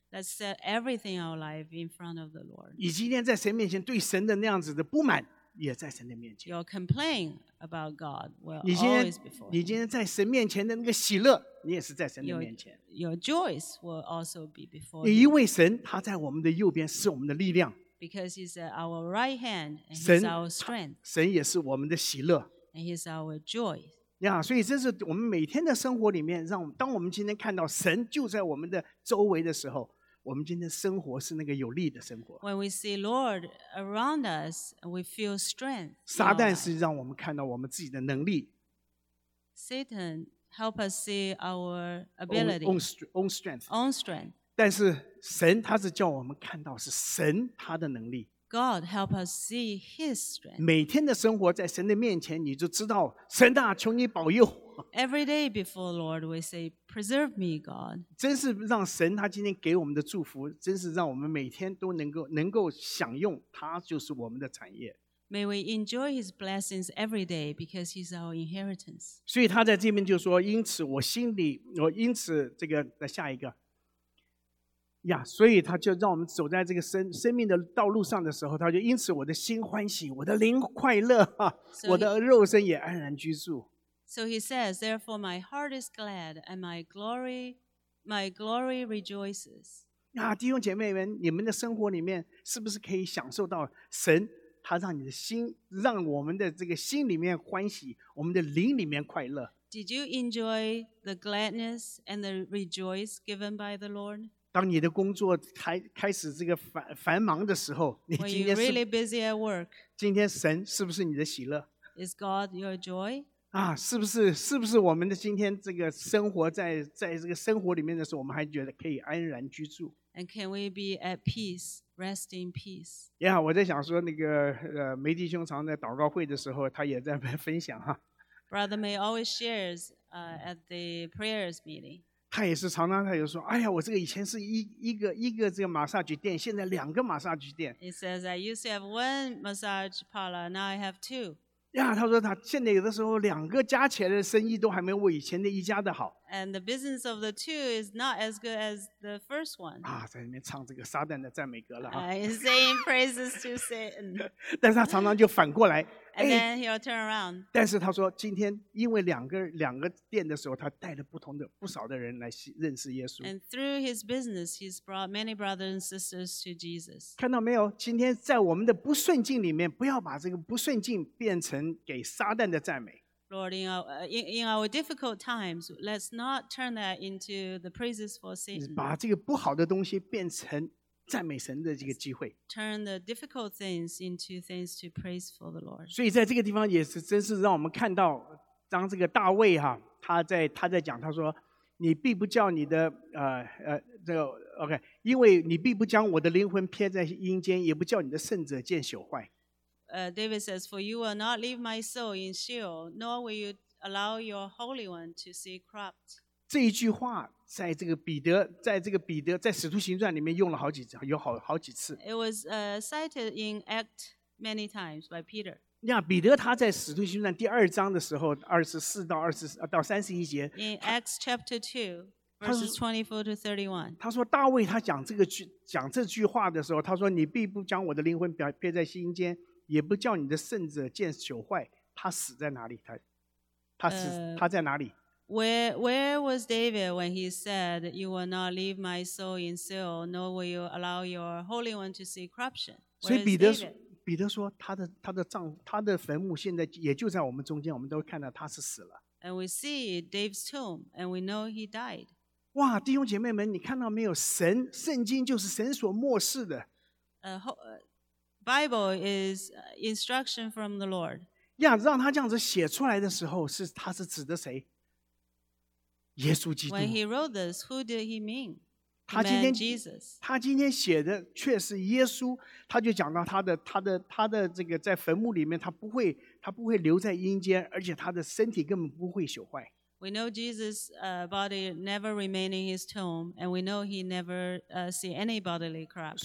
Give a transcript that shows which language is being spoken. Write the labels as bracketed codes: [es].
[en] Let's set everything in our life in front of the Lord. [zh] 你今天在神面前对神的那样子的不满，也在神的面前。 [en] Your complaint about God will always before you. [zh] 你今天在神面前的那个喜乐，你也是在神的面前。 [en] Your joys will also be before you. [zh] 因为神他在我们的右边是我们的力量。 [en] Because he's at our right hand and he's our strength. [zh] 神也是我们的喜乐。 [en] And he's our joy. [zh] Yeah, 所以这是我们每天的生活里面，当我们今天看到神就在我们的周围的时候，我们今天生活是那个有力的生活。 [en] When we see Lord around us, we feel strength. [zh] 撒旦是让我们看到我们自己的能力。 [en] Satan help us see our ability. Own strength. Own strength. [zh] 但是神他是叫我们看到是神他的能力。 [en] God help us see His strength. [zh] 每天的生活在神的面前，你就知道神啊，求你保佑。 [en] Every day before the Lord, we say, "Preserve me, God." [zh] 真是让神他今天给我们的祝福，真是让我们每天都能够享用他就是我们的产业。 [en] May we enjoy His blessings every day because He's our inheritance. [zh] 所以他在这边就说，因此我心里，我因此这个再下一个。 Yeah, 所以他就让我们走在这个 生命的道路上的时候，他就因此我的心欢喜，我的灵快乐，我的肉身也安然居住。 [en] So he says, therefore my heart is glad and my glory rejoices. [zh] 那弟兄姐妹们，你们的生活里面是不是可以享受到神他让你的心，让我们的这个心里面欢喜，我们的灵里面快乐？ [en] Did you enjoy the gladness and the rejoice given by the Lord? [zh] 当你的工作开始这个 繁忙的时候，你今天是 [en] Were you really busy at work? [zh] 今天神是不是你的喜乐？ [en] Is God your joy? [zh] 啊、是不是我们的今天这个生活在这个生活里面的时候，我们还觉得可以安然居住 [en] ？And can we be at peace, rest in peace? [zh] Yeah, 我在想说那个梅弟兄常在祷告会的时候，他也在那边分享哈。 [en] Brother May always shares, at the prayers meeting. [zh] 他也是常常他就说，哎呀，我这个以前是一个这个 massage 店，现在两个 massage 店。 [en] He says I used to have one massage parlor, now I have two. [zh] 呀，他说他现在有的时候两个加起来的生意都还没我以前的一家的好。 [en] And the business of the two is not as good as the first one. [zh] 啊，在里面唱这个撒旦的赞美歌了哈。 [en] I'm saying praises to Satan. [zh] 但是他常常就反过来。 And then he'll turn around. 但是他说今天因为两个店的时候，他带了不少的人来认识耶稣。 [en] And through his business, he's brought many brothers and sisters to Jesus. [zh] 看到没有？今天在我们的不顺境里面，不要把这个不顺境变成给撒旦的赞美。 [en] Lord, in our difficult times, let's not turn that into the praises for Satan. [zh] 把这个不好的东西变成赞美神的这个机会。 [en] Turn the difficult things into things to praise for the Lord. [zh] 所以在这个地方也是真是让我们看到，当这个大卫哈、啊，他在讲，他说：“你必不叫你的这个 OK， 因为你必不将我的灵魂撇在阴间，也不叫你的圣者见朽坏。” [en] David says, "For you will not leave my soul in Sheol, nor will you allow your holy one to see corrupt." [zh] 这一句话在这个彼得，在这个彼得在《使徒行传》里面用了好几次，有好几次。 [en] It was cited in Act many times by Peter. [zh] 那彼得他在《使徒行传》第二章的时候，24到31节。 [en] In Acts chapter 2, verses 24-31. [zh] 他说大卫他讲这句话的时候，他说你必不将我的灵魂撇在阴间。也不叫你的圣者见朽坏，他死在哪里？他在哪里 [en] ？Where was David when he said, "You will not leave my soul in Sheol, nor will you allow your holy one to see corruption"? [zh] 所以彼得说他的坟墓现在也就在我们中间，我们都看到他是死了。 [en] And we see David's tomb, and we know he died. [zh] 哇，弟兄姐妹们，你看到没有？神圣经就是神所默示的。 [en] Bible is instruction from the Lord. [zh] Yeah, 让他这样子写出来的时候，是他是指的谁？耶稣基督。 [en] When he wrote this, who did he mean? Jesus. [zh] 他今天写的却是耶稣，他就讲到他的这个在坟墓里面，他不会留在阴间，而且他的身体根本不会朽坏。 [en] We know Jesus' body never remained in his tomb, and we know he never see any bodily corruption.